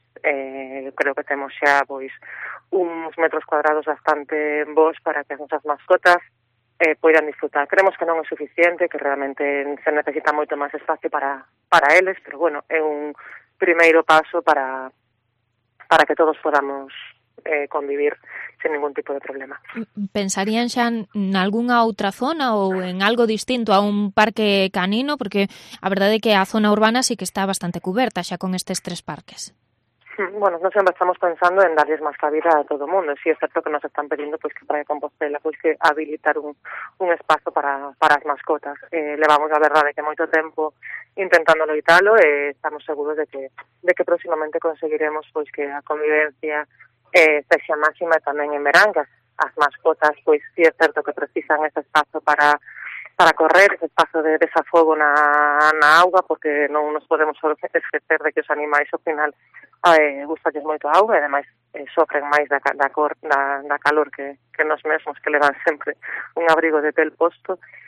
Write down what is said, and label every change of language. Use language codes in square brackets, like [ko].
[es] Creo que tenemos ya pues unos metros cuadrados bastante en bos para que nuestras mascotas puedan disfrutar. [gl] Creemos que non é suficiente, que realmente se necesita moito máis espacio para eles, pero bueno, é un primeiro paso para que todos podamos convivir sin ningún tipo de problema. ¿Pensarían xa en algunha outra zona ou en algo distinto a un parque canino? Porque a verdade é que a zona urbana sí que está bastante cuberta xa con estes tres parques. [es] Bueno, no siempre estamos pensando en darles más cabida a todo el mundo. Sí, es cierto que nos están pidiendo pues que para Compostela pues que habilitar un espacio para las mascotas. Le vamos a ver de que mucho tiempo intentándolo y tal, estamos seguros de que próximamente conseguiremos pues que la convivencia sea máxima también en verano. Las mascotas, pues sí, es cierto que precisan ese espacio para correr, ese espacio de desafogo [gl] na agua, porque no nos podemos esquecer de que os animais, ao final, gustalles moito a agua, e ademais sofren máis da calor que nos mesmos, que levan sempre un abrigo de pel posto.